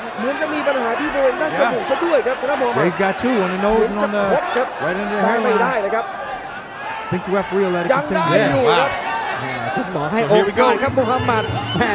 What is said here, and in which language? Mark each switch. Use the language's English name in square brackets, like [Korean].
[Thai] เหมือนจะมีปัญหาที่บริเวณด้านจมูกซะด้วยครับ ครับผม [English] He's got two on the nose and on the right under the hairline [Thai] ไม่ได้เลยครับ [English] I think the referee will let it continue Yeah, wow [Thai] คุณหมอให้โอกาสครับมูฮัมหมัดแหม